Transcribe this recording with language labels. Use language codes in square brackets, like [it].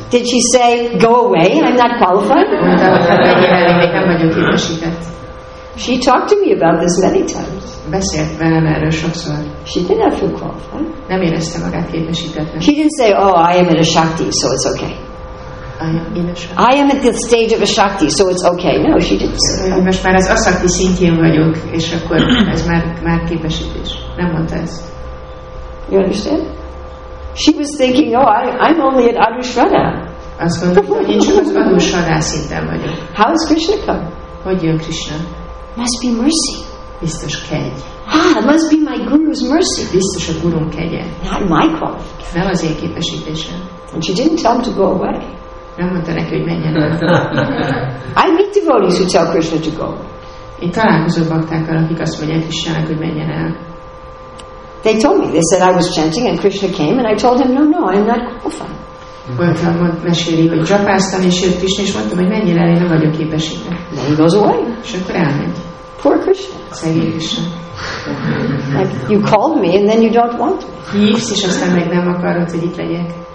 [en] Did she say, go away, I'm not qualified? [hu] Mondta, hogy hát megjelenik, még nem vagyok képesített. [en] She talked to me about this many times. [hu] Beszélt velem erről sokszor. [en] She did not feel qualified. [hu] Nem érezte magát képesítettnek. [en] She didn't say, oh, I am in a shakti, so it's okay. I am at the stage of a shakti, so it's okay. No, she didn't say that. [hu] Most már az asakti szintjén vagyok, és akkor ez már képesítés. Nem mondta ez. [en] You understand? She was thinking, oh, I'm only at Adushrana. [hu] Azt gondolta, hogy én csak az Adushrana szinten vagyok. [en] How is Krishna come? [hu] Hogy jön Krishna? [en] Must be mercy. [hu] Biztos kegy. [en] Ah, it must be my guru's mercy. [hu] Biztos a gurum kegye. [en] Not my fault. [hu] Nem az én képesítésem. [en] And she didn't tell him to go away. [hu] Nem mondta neki, hogy menjen el. [en] I meet devotees who tell Krishna to go. [hu] Én találkozom baktákkal, akik azt mondják Krishnának, hogy menjen el. [en] They told me, they said I was chanting and Krishna came and I told him, no, I'm not qualified. [hu] Voltam, meséli, hogy japáztam és jött Krishna és mondtam, hogy menjen el, én nem vagyok képesítve. [en] Then he goes away. [hu] És akkor elmegy. [en] Poor Krishna. [hu] Szegény Krishna. [en] Like, you called me and then you don't want me. [hu] Hívsz és aztán meg nem akarod, hogy itt legyek.